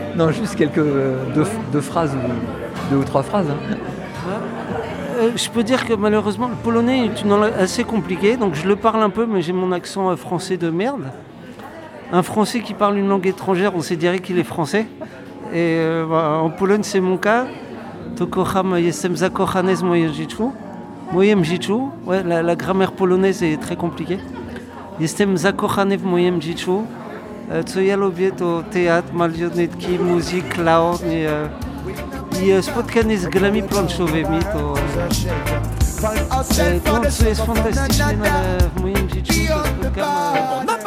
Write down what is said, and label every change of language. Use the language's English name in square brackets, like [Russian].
[French] Non, juste deux phrases, deux ou trois phrases. Je peux dire que malheureusement, le polonais est une langue assez compliquée, donc je le parle un peu, mais j'ai mon accent français de merde. Un français qui parle une langue étrangère, on se dirait qu'il est français. Et en Pologne, c'est mon cas. [Polish] To kocham, jestem zakochany z mojem dziecku. [French] Ouais, la grammaire polonaise est très compliquée. [Polish] Jestem zakochany w mojem dziecku. Co ja lubię, to théâtre, marionetki, musique, clown. I spotkanie z grami planszowymi to to, co jest fantastyczne w moim życiu, to